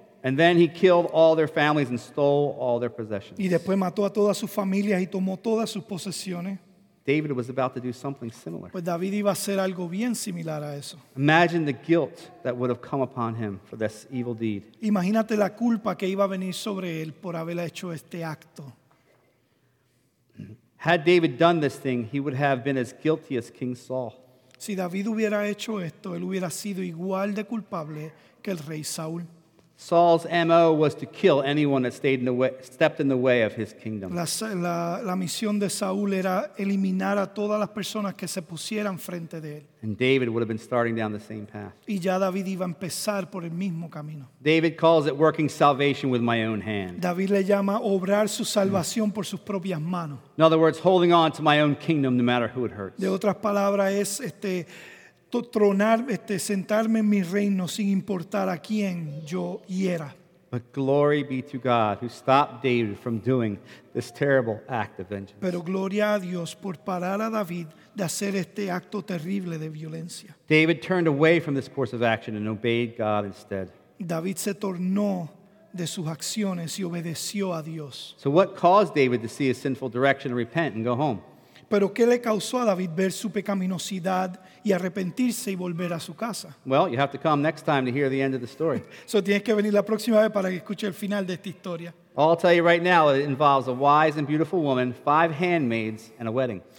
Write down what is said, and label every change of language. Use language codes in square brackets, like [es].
[en] And then he killed all their families and stole all their possessions. [es] Y después mató a todas sus familias y tomó todas sus posesiones. [en] David was about to do something similar. [es] Pues David iba a hacer algo bien similar a eso. [en] Imagine the guilt that would have come upon him for this evil deed. [es] Imagínate la culpa que iba a venir sobre él por haber hecho este acto. [en] Had David done this thing, he would have been as guilty as King Saul. [es] Si David hubiera hecho esto, él hubiera sido igual de culpable que el rey Saúl. [en] Saul's MO was to kill anyone that stayed in the way, stepped in the way of his kingdom. [es] La misión de Saúl era eliminar a todas las personas que se pusieran frente de él. [en] And David would have been starting down the same path. [es] Y ya David iba a empezar por el mismo camino. [en] David calls it working salvation with my own hand. [es] David le llama obrar su salvación por sus propias manos. [en] In other words, holding on to my own kingdom no matter who it hurts. [es] De otras palabras es tronar, sentarme en mi reino sin importar a quién yo hiera. [en] But glory be to God who stopped David from doing this terrible act of vengeance. [es] Pero gloria a Dios por parar a David de hacer este acto terrible de violencia. [en] David turned away from this course of action and obeyed God instead. [es] David se tornó de sus acciones y obedeció a Dios. [en] So what caused David to see his sinful direction and repent and go home? [es] Pero ¿qué le causó a David ver su pecaminosidad y arrepentirse y volver a su casa? [en] Well, you have to come next time to hear the end of the story. [es] So tienes que venir la próxima vez para que escuche el final de esta historia. [en] I'll tell you right now, it involves a wise and beautiful woman, five handmaids, and a wedding.